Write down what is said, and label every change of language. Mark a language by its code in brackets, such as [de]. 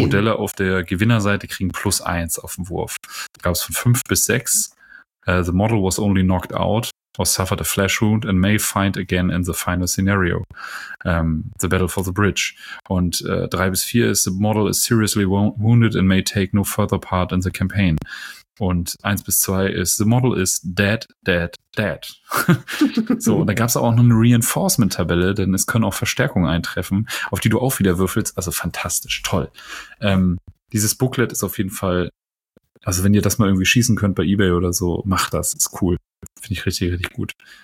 [de] Modelle auf der Gewinnerseite kriegen +1 auf den Wurf. Da gab es von 5 bis 6. [en] The model was only knocked out or suffered a flash wound and may find again in the final scenario. The battle for the bridge. [de] Und 3 bis 4 ist, [en] the model is seriously wounded and may take no further part in the campaign. [de] Und 1 bis 2 ist, [en] the model is dead, dead, dead. [de] So, und da gab es auch noch eine Reinforcement-Tabelle, denn es können auch Verstärkungen eintreffen, auf die du auch wieder würfelst. Also fantastisch, toll. Dieses Booklet ist auf jeden Fall, also wenn ihr das mal irgendwie schießen könnt bei eBay oder so, macht das, ist cool. Finde ich richtig, richtig gut.